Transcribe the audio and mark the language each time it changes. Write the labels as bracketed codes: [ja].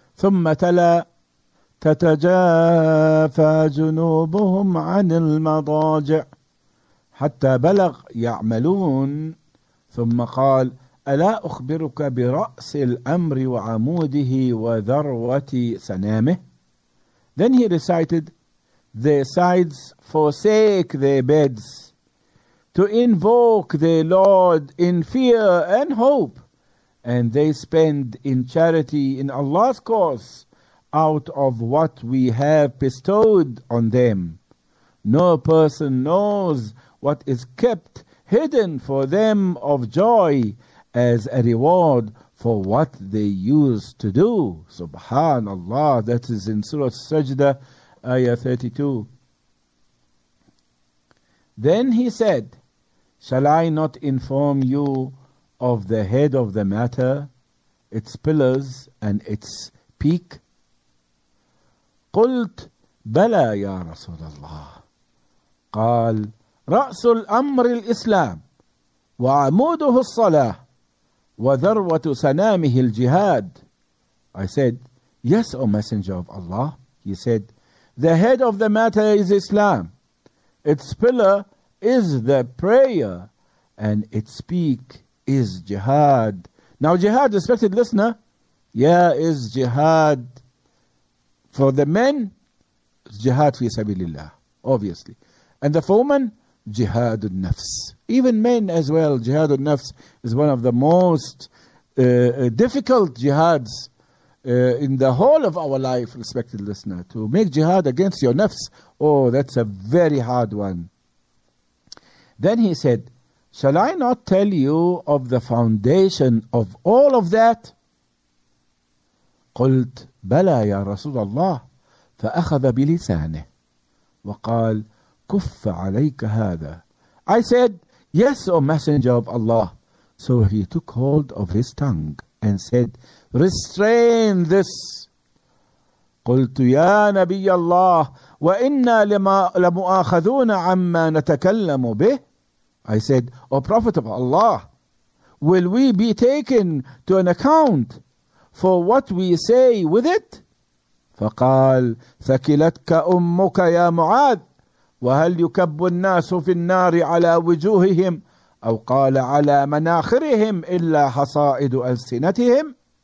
[ar] ثم تلا تتجافى جنوبهم عن المضاجع حتى بلغ يعملون ثم قال ألا أخبرك برأس الأمر وعموده وذروة سنامه. [en] Then he recited, their sides forsake their beds to invoke their Lord in fear and hope, and they spend in charity in Allah's cause out of what we have bestowed on them. No person knows what is kept hidden for them of joy as a reward for what they used to do. Subhanallah, that is in Surah Sajda, Ayah 32. Then he said, shall I not inform you of the head of the matter, its pillars and its peak? [ar] قلت بلى يا رسول الله. قال رأس الأمر الإسلام وعموده الصلاة وذروة سنامه الجهاد. [en] I said, yes, O Messenger of Allah. He said, the head of the matter is Islam, its pillar is the prayer, and its peak is jihad. Now jihad, respected listener, is jihad for the men, jihad fi sabilillah, obviously. And the for women, jihad al-nafs. Even men as well, jihad al-nafs is one of the most difficult jihads in the whole of our life, respected listener. To make jihad against your nafs, oh, that's a very hard one. Then he said, shall I not tell you of the foundation of all of that? [ar] قلت بلى يا رسول الله فأخذ بلسانه وقال كف عليك هذا. [en] I said, yes, O Messenger of Allah. So he took hold of his tongue and said, restrain this. [ar] قلت يا نبي الله وإنا لمؤاخذون عما نتكلم به. [en] I said, O Prophet of Allah, will we be taken to an account for what we say with it? [ar] فقال ثكلتك أمك يا معاذ وهل يكب الناس في النار على وجوههم أو قال على مناخرهم إلا حصائد ألسنتهم.